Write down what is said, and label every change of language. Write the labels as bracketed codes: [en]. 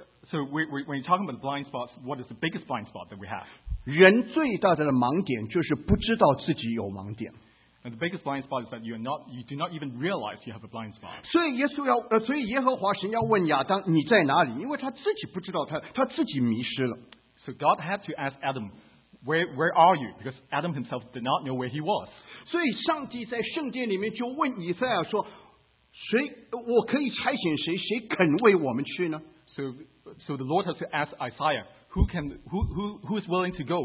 [en] So when you're talking about blind spots, what is the biggest blind spot that we have? [zh] 人最大的盲点就是不知道自己有盲点。 [en] And the biggest blind spot is that you do not even realize you have a blind spot. [zh] 所以耶和华神要问亚当你在哪里? 因为他自己不知道他自己迷失了。 [en] So God had to ask Adam, where are you? Because Adam himself did not know where he was. [zh] 所以上帝在圣殿里面就问以赛亚说, 谁我可以差遣谁，谁肯为我们去呢？ [en] So the Lord has to ask Isaiah, who is willing to go?